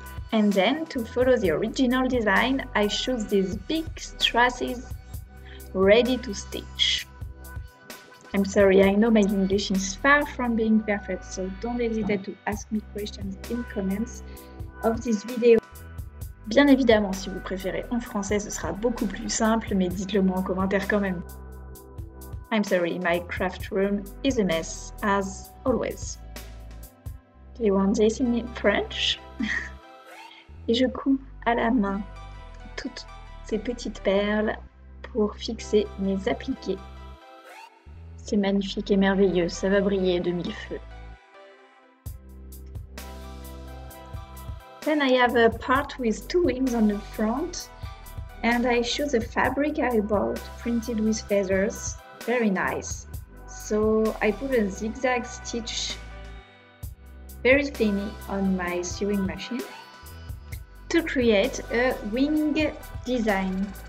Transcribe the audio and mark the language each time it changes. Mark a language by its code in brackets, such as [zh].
[en] And then to follow the original design, I choose these big strasses ready to stitch. I'm sorry, I know my English is far from being perfect, so don't hesitate to ask me questions in comments of this video. [fr] Bien évidemment, si vous préférez en français, ce sera beaucoup plus simple, mais dites-le moi en commentaire quand même. [en] I'm sorry, my craft room is a mess, as always. Do you want this in French? [fr] Et je couds à la main toutes ces petites perles pour fixer mes appliqués. C'est magnifique et merveilleux, ça va briller de mille feux. [en] Then I have a part with 2 wings on the front, and I choose a fabric I bought printed with feathers. Very nice. So I put a zigzag stitch very thinly on my sewing machine to create a wing design.